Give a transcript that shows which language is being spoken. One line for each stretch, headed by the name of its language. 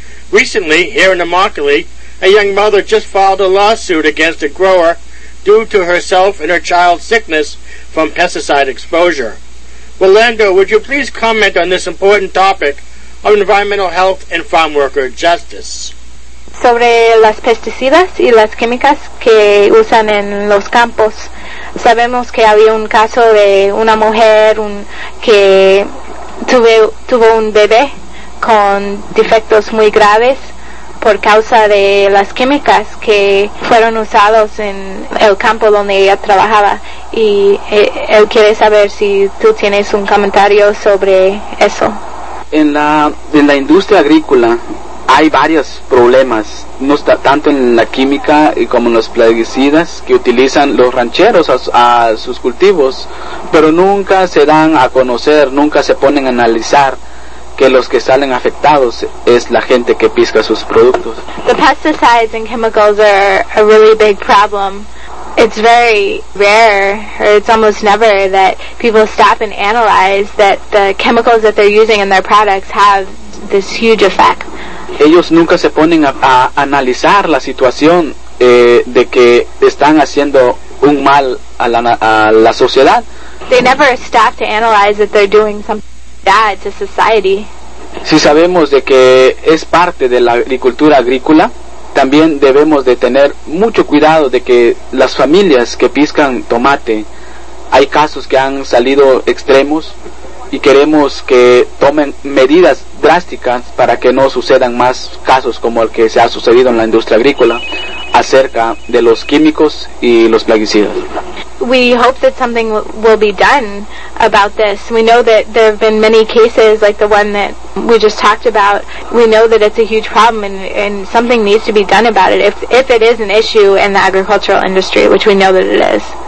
English: Recently, here in Immokalee, a young mother just filed a lawsuit against a grower due to herself and her child's sickness from pesticide exposure. Orlando, would you please comment on this important topic of environmental health and farm worker justice?
Spanish: Sobre las pesticidas y las químicas que usan en los campos, sabemos que había un caso de una mujer que tuvo un bebé con defectos muy graves por causa de las químicas que fueron usados en el campo donde ella trabajaba. Y él quiere saber si tú tienes un comentario sobre eso. En la industria agrícola hay varios problemas, no está tanto en la química como en los plaguicidas que utilizan los rancheros a sus cultivos, pero nunca se dan a conocer, nunca se ponen a analizar que los que salen afectados es la gente que pisca sus productos.
English: The pesticides and chemicals are a really big problem. It's very rare, or it's almost never, that people stop and analyze that the chemicals that they're using in their products have this huge effect.
Spanish: Ellos nunca se ponen a analizar la situación de que están haciendo un mal a la sociedad.
English: They never stop to analyze that they're doing something bad to society.
Spanish: Si sabemos de que es parte de la agricultura agrícola, también debemos de tener mucho cuidado de que las familias que piscan tomate, hay casos que han salido extremos y queremos que tomen medidas drásticas para que no sucedan más casos como el que se ha sucedido en la industria agrícola acerca de los químicos y los plaguicidas.
English: We hope that something will be done about this. We know that there have been many cases like the one that we just talked about. We know that it's a huge problem and something needs to be done about it if it is an issue in the agricultural industry, which we know that it is.